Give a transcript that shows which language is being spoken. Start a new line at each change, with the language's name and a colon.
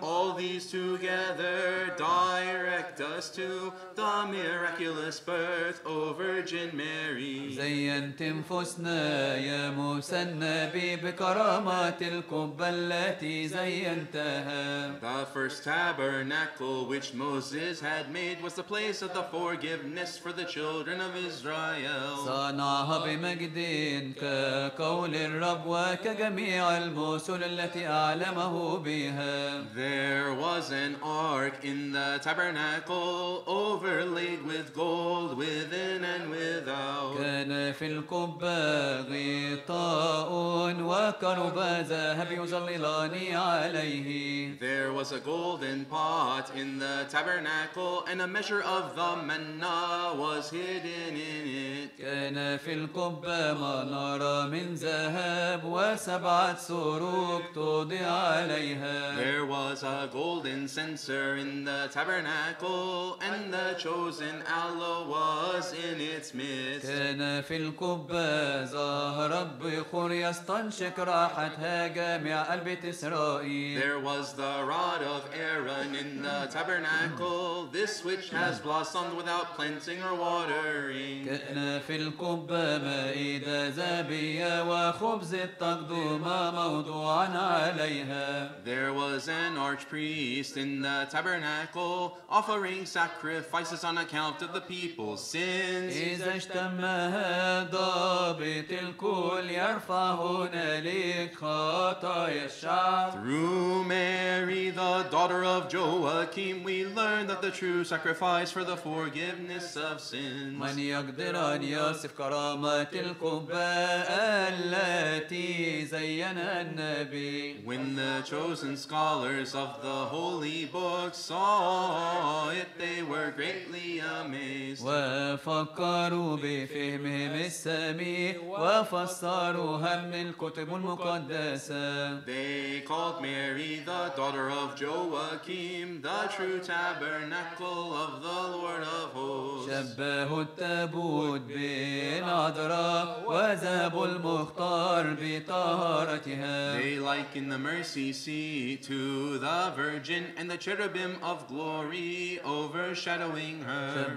English: All these together direct us to the miraculous birth of Virgin Mary.
Arabic: زينت انفسنا يا موسى النبي بكرامات القبة التي زينتها.
English: The first tabernacle which Moses had made was the place of the forgiveness for the children of Israel.
Arabic: صنعها بمجدين كقول الرب وكجميع المرسل التي أعلمه بها.
English: There was an ark in the tabernacle overlaid with gold within and without.
Arabic: كان في القبة غطاء وكرب ذهب يظللان عليه.
English: There was a golden pot in the tabernacle and a measure of the manna was hidden in it.
Arabic: كان في القبة منارة من ذهب وسبعة سروج توضع عليها.
English: There was a golden censer in the tabernacle and the chosen aloe was in its midst.
Arabic: كان في القبة زهرة بخور يستنشق راحتها جميع قلب إسرائيل.
English: There was the rod of Aaron in the tabernacle, this which has blossomed without cleansing or watering.
Arabic: كان في القبة مائدة ذهبية وخبز التقدم موضوعا عليها.
English: There was an archpriest in the tabernacle offering sacrifices on account of the people's sins.
Arabic: إذا اجتمع ضابط الكل يرفع هنالك خطايا الشعب.
English: Through Mary the daughter of Joachim, we learn that the true sacrifice for the forgiveness of sins.
Arabic: من يقدر أن يصف كرامة القبة التي زينها النبي.
English: When the chosen scholars of the holy book saw it, they were greatly amazed.
Arabic: وفكروا بفهمهم السامي وفسروا هم الكتب المقدسة.
English: They called Mary the daughter of Joachim, the true tabernacle of the Lord of hosts.
Arabic: شبهوا التابوت بالعذراء وذهبوا المختار بطهارتها.
English: They likened the mercy seat to the virgin and the cherubim of glory overshadowing her.